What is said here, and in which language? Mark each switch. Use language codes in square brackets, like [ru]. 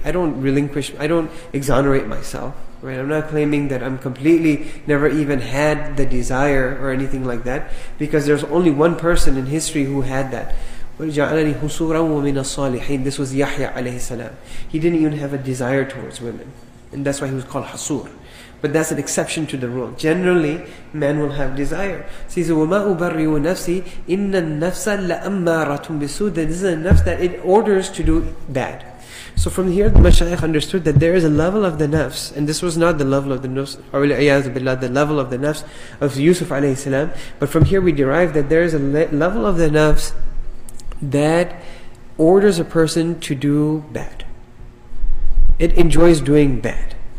[en] I don't relinquish, I don't exonerate myself. Right? I'm not claiming that I'm completely never even had the desire or anything like that, because there's only one person in history who had that. [ar] وَجَعَلَنِي هُسُورًا وَمِنَ الصَّالِحِينَ. [en] This was Yahya alayhi salam. He didn't even have a desire towards women. And that's why he was called Hasur. But that's an exception to the rule. Generally, men will have desire. So he says, [ar] وَمَا أُبَرِّيُ نَفْسِي إِنَّ النَّفْسَ لَأَمَّارَةٌ بِسُودَ. [en] This is a nafs that it orders to do bad. So from here, the mashayikh understood that there is a level of the nafs, and this was not the level of the nafs, or a'yaz billah, the level of the nafs of Yusuf alayhi salam. But from here we derive that there is a level of the nafs that orders a person to do bad. It enjoys doing bad.